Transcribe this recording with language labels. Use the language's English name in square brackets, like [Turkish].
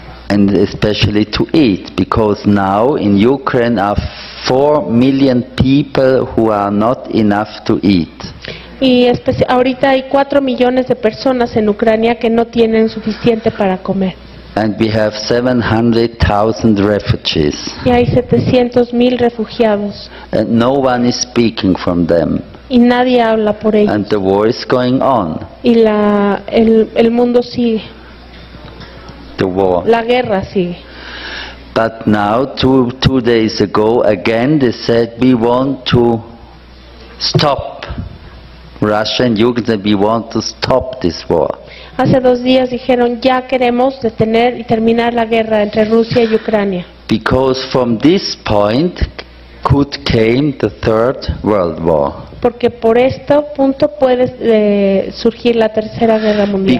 [English] And especially to eat, because now in Ukraine are 4 million people who are not enough to eat. [Spanish] Y ahorita hay 4 millones de personas en Ucrania que no tienen suficiente para comer. [English] And we have 700,000 refugees. [Spanish] Y hay 700,000 refugiados. [English] And no one is speaking from them. [Spanish] Y nadie habla por ellos. [English] And the war is going on. [Spanish] Y el mundo sigue. [English] The war. [Spanish] La guerra sigue. [English] But now, two days ago, again they said we want to stop. Russia and Ukraine, we want to stop this war. [Spanish] Hace dos días dijeron ya queremos detener y terminar la guerra entre Rusia y Ucrania. [English] Because from this point could came the Third World War. [Spanish] Porque por este punto puede surgir la Tercera Guerra Mundial.